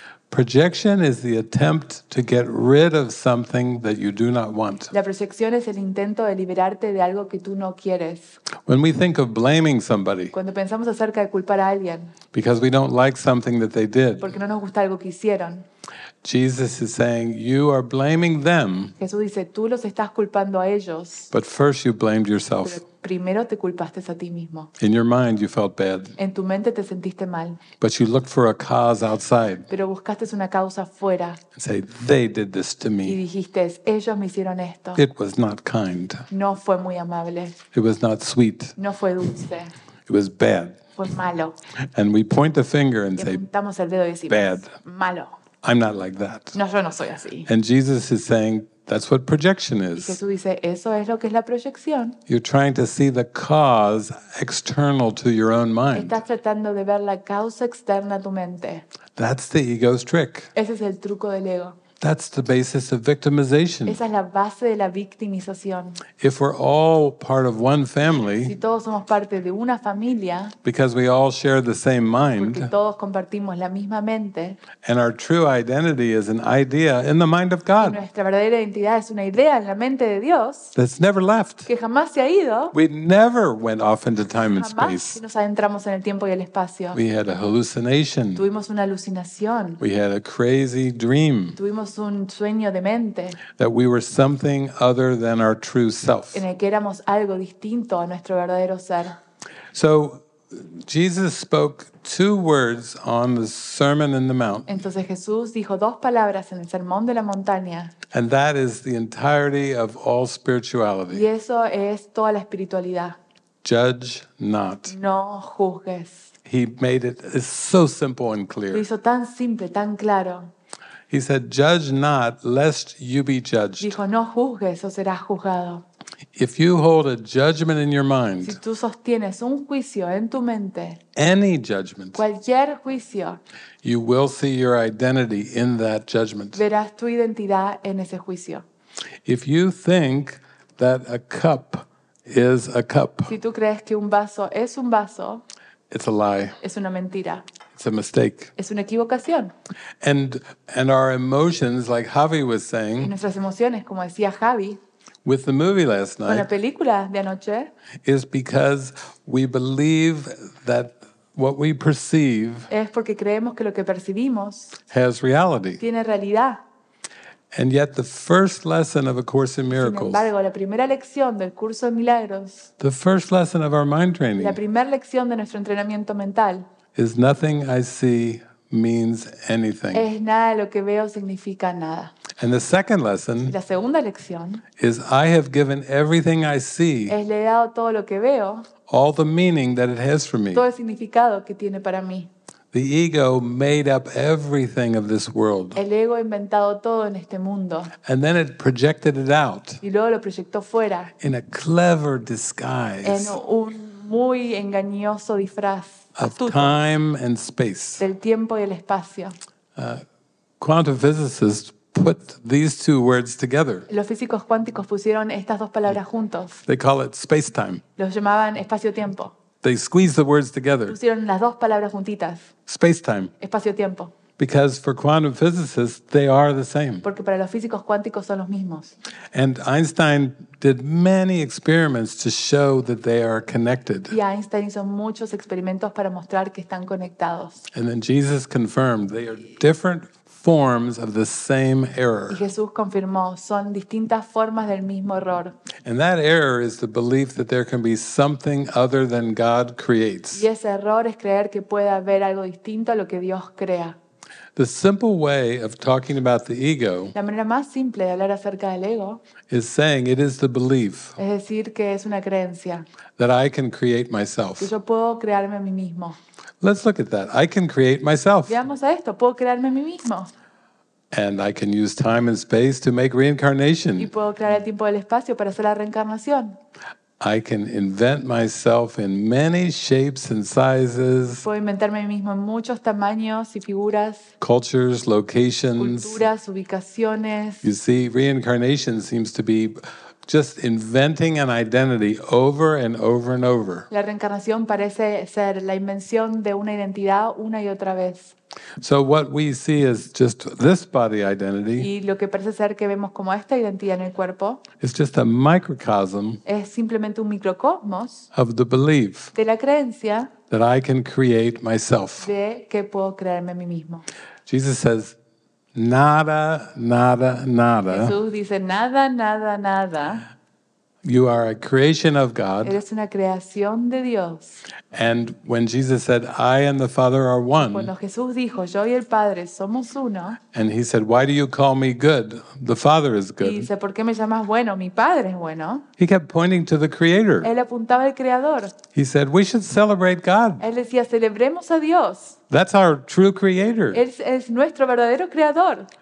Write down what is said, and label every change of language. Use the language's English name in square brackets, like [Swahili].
[English] Projection is the attempt to get rid of something that you do not want. [Spanish] La proyección es el intento de liberarte de algo que tú no quieres. [English] When we think of blaming somebody. [Spanish] Cuando pensamos acerca de culpar a alguien. [English] Because we don't like something that they did. [Spanish] Porque no nos gusta algo que hicieron. [English] Jesus is saying you are blaming them. [Spanish] Jesús dice tú los estás culpando a ellos. [English] But first you blamed yourself. [Spanish] Primero te culpaste a ti mismo. [English] In your mind you felt bad. [Spanish] En tu mente te sentiste mal. [English] But you looked for a cause outside. [Spanish] Pero buscaste una causa fuera. [English] Say, they did this to me. [Spanish] Y dijiste, ellos me hicieron esto. [English] It was not kind. [Spanish] No fue muy amable. [English] It was not sweet. [Spanish] No fue dulce. [English] It was bad. [Spanish] Fue malo. [English] And we point the finger and say, [Spanish] el dedo y decimos, [English] bad. [Spanish] Malo. [English] I'm not like that. [Spanish] No, yo no soy así. [English] And Jesus is saying, that's what projection is. [Spanish] Jesús dice, eso es lo que es la proyección. [English] You're trying to see the cause external to your own mind. [Spanish] Estás tratando de ver la causa externa a tu mente. [English] That's the ego's trick. [Spanish] Ese es el truco del ego. [English] That's the basis of victimization. [Spanish] Esa es la base de la victimización. [English] If we're all part of one family, [Spanish] si todos somos parte de una familia, [English] because we all share the same mind, [Spanish] porque todos compartimos la misma mente, [English] and our true identity is an idea in the mind of God, [Spanish] y nuestra verdadera identidad es una idea en la mente de Dios, [English] that's never left, [Spanish] que jamás se ha ido, [English] we never went off into time and space. [Spanish] Jamás nos adentramos en el tiempo y el espacio. [English] We had a hallucination. [Spanish] Tuvimos una alucinación. [English] We had a crazy dream. [Spanish] Un sueño de mente. [English] That we were something other than our true self. [Spanish] En el que éramos algo distinto a nuestro verdadero ser. [English] So Jesus spoke two words on the Sermon on the Mount. [Spanish] Entonces Jesús dijo dos palabras en el Sermón de la Montaña. [English] And that is the entirety of all spirituality. [Spanish] Y eso es toda la espiritualidad. [English] Judge not. [Spanish] No juzgues. [English] He made it so simple and clear. [Spanish] Lo hizo tan simple, tan claro. [English] He said, "Judge not, lest you be judged." [Spanish] Dijo, no juzgues, o serás juzgado. [English] If you hold a judgment in your mind, [Spanish] si tú sostienes un juicio en tu mente, [English] any judgment, [Spanish] cualquier juicio, [English] you will see your identity in that judgment. [Spanish] Verás tu identidad en ese juicio. [English] If you think that a cup is a cup, [Spanish] si tú crees que un vaso, [English] it's a lie. [Spanish] Es una mentira. [English] It's a mistake. [Spanish] Es una equivocación. [English] And our emotions, like Javi was saying, [Spanish] y nuestras emociones, como decía Javi, [English] with the movie last night, [Spanish] con la película de anoche, [English] is because we believe that what we perceive [Spanish] es porque creemos que lo que percibimos [English] has reality. [Spanish] Tiene realidad. [English] And yet the first lesson of A Course in Miracles, [Spanish] sin embargo, la primera lección del curso de milagros, [English] the first lesson of our mind training, [Spanish] la primera lección de nuestro entrenamiento mental, [English] is nothing I see means anything. [Spanish] Es nada lo que veo significa nada. [English] And the second lesson, [Spanish] la segunda lección, [English] is I have given everything I see, [Spanish] es le he dado todo lo que veo, [English] all the meaning that it has for me, [Spanish] todo el significado que tiene para mí. [English] The ego made up everything of this world. [Spanish] El ego ha inventado todo en este mundo. [English] And then it projected it out. [Spanish] Y luego lo proyectó fuera. [English] In a clever disguise. [Spanish] En un muy engañoso disfraz. [English] Of time and space. [Spanish] Del tiempo y el espacio. [English] Quantum physicists put these two words together. [Spanish] Los físicos cuánticos pusieron estas dos palabras juntos. [English] They call it space-time. [Spanish] Los llamaban espacio-tiempo. [English] They squeeze the words together. [Spanish] Pusieron las dos palabras juntitas. [English] Space-time. [Spanish] Espacio-tiempo. [English] Because for quantum physicists, they are the same. [Spanish] Porque para los físicos cuánticos son los mismos. [English] And Einstein did many experiments to show that they are connected. [Spanish] Y Einstein hizo muchos experimentos para mostrar que están conectados. [English] And then Jesus confirmed they are different forms of the same error. [Spanish] Y Jesús confirmó, son distintas formas del mismo error. [English] And that error is the belief that there can be something other than God creates. [Spanish] Y ese error es creer que puede haber algo distinto a lo que Dios crea. [English] The simple way of talking about the ego, [Spanish] la manera más simple de hablar acerca del ego, [English] is saying it is the belief, [Spanish] es decir, que es una creencia, [English] that I can create myself. [Spanish] Que yo puedo crearme a mí mismo. [English] Let's look at that. I can create myself. [Spanish] Veamos a esto. Puedo crearme a mí mismo. [English] And I can use time and space to make reincarnation. [Spanish] Y puedo crear el tiempo y el espacio para hacer la reencarnación. [English] I can invent myself in many shapes and sizes. [Spanish] Puedo inventarme a mí mismo en muchos tamaños y figuras. [English] Cultures, locations. [Spanish] Culturas, ubicaciones. [English] You see, reincarnation seems to be just inventing an identity over and over and over. [Spanish] La reencarnación parece ser la invención de una identidad una y otra vez. [English] So what we see is just this body identity. [Spanish] Y lo que parece ser que vemos como esta identidad en el cuerpo. [English] Is just a microcosm. [Spanish] Es simplemente un microcosmos. [English] Of the belief. [Spanish] De la creencia. [English] That I can create myself. [Spanish] De que puedo crearme a mí mismo. [English] Jesus says, [Spanish] nada, nada, nada. Jesús dice nada, nada, nada. [English] You are a creation of God. [Spanish] Eres una creación de Dios. [English] And when Jesus said, I and the Father are one. [Spanish] Cuando Jesús dijo, yo y el Padre somos uno. [English] And he said, why do you call me good? The Father is good. [Spanish] Y dice, ¿por qué me llamas bueno? Mi Padre es bueno. [English] He kept pointing to the Creator. [Spanish] Él apuntaba al Creador. [English] He said, we should celebrate God. [Spanish] Él decía, celebremos a Dios. [English] That's our true Creator. [Spanish] Es nuestro verdadero Creador.